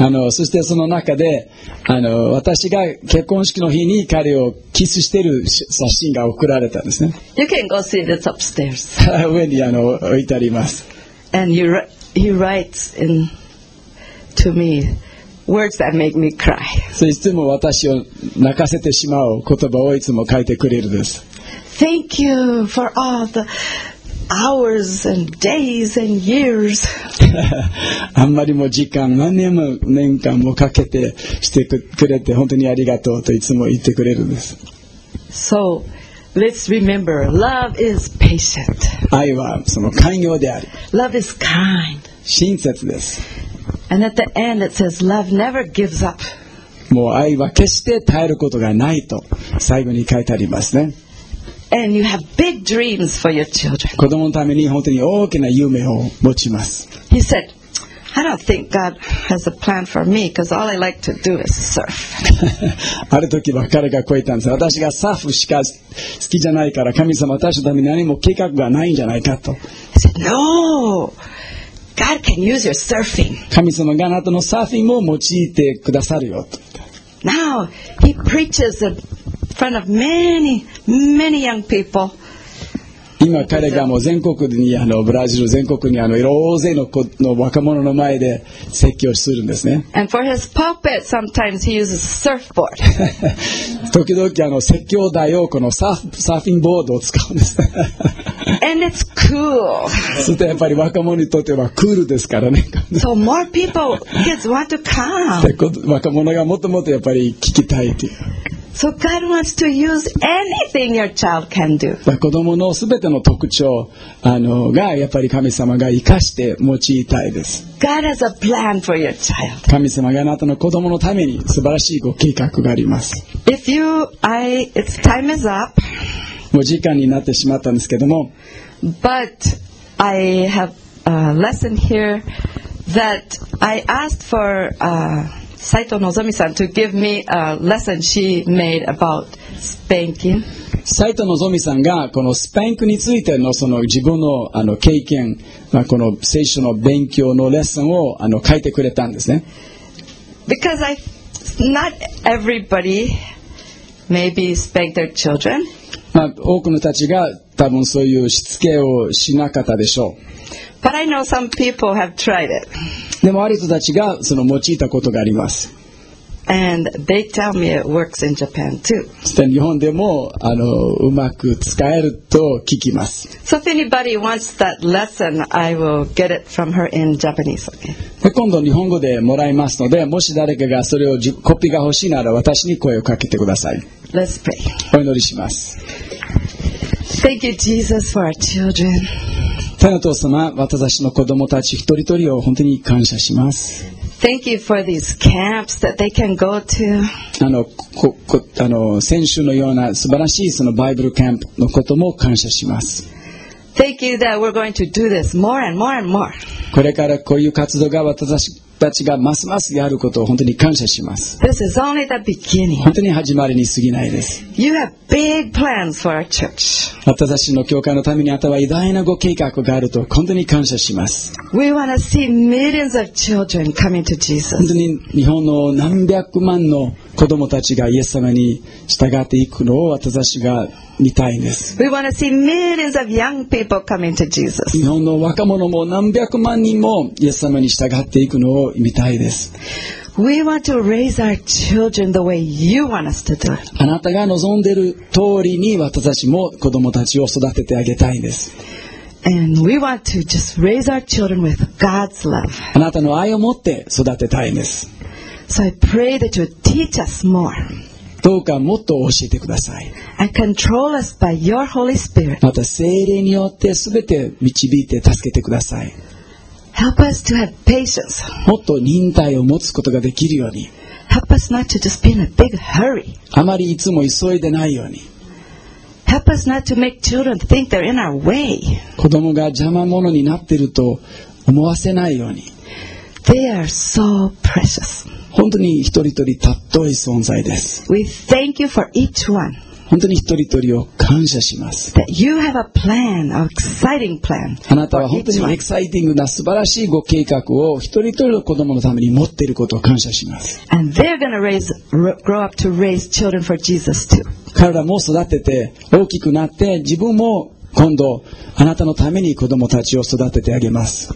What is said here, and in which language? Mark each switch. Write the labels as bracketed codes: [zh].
[ja] そしてその中で私が結婚式の日に彼をキスしている写真が送られたんですね。 [en] You can go see that's upstairs. [ja] 上に置いてあります。 [en] And he writes in to me words that make me cry. [ja] そういつも私を泣かせてしまう言葉をいつも書いてくれるんです。 [en] Thank you for all the hours and days and years. [ja] あんまりも時間、何年も年間もかけてしてくれて本当にありがとうといつも言ってくれるんです。 [en] So, let's remember, love is patient. [ja] 愛はその寛容であり。 [en] Love is kind. [ja] 親切です。 [en] And at the end it says, love never gives up. [ja] もう愛は決して耐えることがないと最後に書いてありますね。 [en] And you have big dreams for your children. [ja] 子供のために本当に大きな夢を持ちます。 [en] He said, I don't think God has a plan for me because all I like to do is surf. [ja] ある時は彼がこう言ったんです。私がサーフしか好きじゃないから神様私のために何も計画がないんじゃないかと。 [en] He said, No! God can use your surfing. [ja] 神様があなたのサーフィンも用いてくださるよと。 [en] Now, he preaches a... front of many, many young people. [ja] 今彼がもう全国にあのブラジル全国にあの大勢 の, 子の若者の前で説教するんですね。 [en] And for his pulpit, sometimes he uses surfboard. [ja] 時々あの説教台をこのサーフィンボードを使うんです。 [en] And it's cool. [ja] そしてやっぱり若者にとってはクールですからね。 [en] So more people, kids want to come. [ja] 若者がもっともっとやっぱり聞きたいという。 [en] So God wants to use anything your child can do. [ja] 子供のすべての特徴あのがやっぱり神様が生かして用いたいです。 [en] God has a plan for your child. [ja] 神様があなたの子供のために素晴らしいご計画があります。 [en] If you, I, it's time is up. [ja] もう時間になってしまったんですけども。 [en] But I have a lesson here that I asked for. 斉藤のぞみさん to give me a lesson she made about spanking. [ja] 斉藤のぞみさんがこのスパンクについて の, その自分 の, あの経験、まあ、この聖書の勉強のレッスンをあの書いてくれたんですね。 [en] Because I, not everybody maybe spank their children.、 [ja] まあ、多くの人たちが多分そういうしつけをしなかったでしょう。 [en] But I know some people have tried it. [ja] でもある人たちがその用いたことがあります。 [en] And they tell me it works in Japan too. [ja] で日本でもあのうまく使えると聞きます。 [en] So if anybody wants that lesson, I will get it from her in Japanese. Okay. [ja] で今度日本語でもらいますので、もし誰かがそれをコピーが欲しいなら私に声をかけてください。 [en] Let's pray. [ja] お祈りします。 [en] Thank you, Jesus, for our children. [ja] 天の父様、私の子供たち一人一人を本当に感謝します。 [en] Thank you for these camps that they can go to. [ja] あの先週のような素晴らしいそのバイブルキャンプのことも感謝します。 [en] Thank you that we're going to do this more and more and more. [ja] これからこういう活動が私たちがますますやることを本当に感謝します。 [en] This is only the beginning. [ja] 本当に始まりに過ぎないです。 [en] You have big plans for our church. [ja] 私の教会のためにあなたは偉大なご計画があると本当に感謝します。 [en] We want to see millions of children coming to Jesus. [ja] 本当に日本の何百万の子供たちがイエス様に従っていくのを私が見たいんです。 [en] We want to see millions of young people coming to Jesus. [ja] 日本の若者も何百万人もイエス様に従っていくのを見たいです。 [en] We want to raise our children the way you want us to do it. [ja] あなたが望んでいる通りに私たちも子供たちを育ててあげたいんです。 [en] And we want to just raise our children with God's love. [ja] あなたの愛を持って育てたいんです。 [en] So I pray that you teach us more. [ja] どうかもっと教えてください。 [en] And control us by your Holy Spirit. [ja] また聖霊によってすべて導いて助けてください。 [en] Help us to have patience. [ja] もっと忍耐を持つことができるように。 [en] Help us not to just be in a big hurry. [ja] あまりいつも急いでないように。 [en] Help us not to make children think they're in our way. [ja] 子供が邪魔者になっていると思わせないように。 [en] They are so precious. [ja] 本当に一人一人たっとい存在です。 [en] We thank you for each one. [ja] 本当に一人一人を感謝します。 [en] That you have a plan, an exciting plan. [ja] あなたは本当にエキサイティングな素晴らしいご計画を一人一人の子供のために持っていることを感謝します。 [en] And they're going to raise, grow up to raise children for Jesus too. [ja] 彼らも育てて大きくなって自分も今度あなたのために子供たちを育ててあげます。